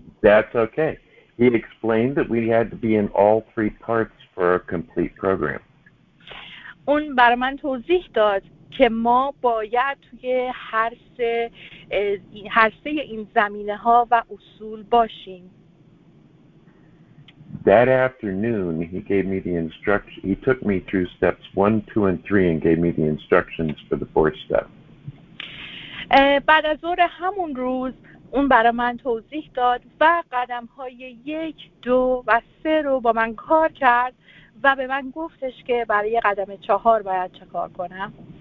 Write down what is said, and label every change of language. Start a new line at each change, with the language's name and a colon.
English: That's okay. He explained that we had to be in all three parts for a complete program.
Persian: اون برای من توضیح داد که ما باید توی هر سه این زمینه ها و اصول باشیم.
English: That afternoon, he gave me the instruction. He took me through steps 1, 2, and 3 and gave me the instructions for the fourth step.
Persian: بعد از ظهر همون روز اون برای من توضیح داد و قدم های
English: 1, 2, and 3
Persian: رو با من کار کرد و به من گفتش که برای قدم 4 باید چه کار کنم.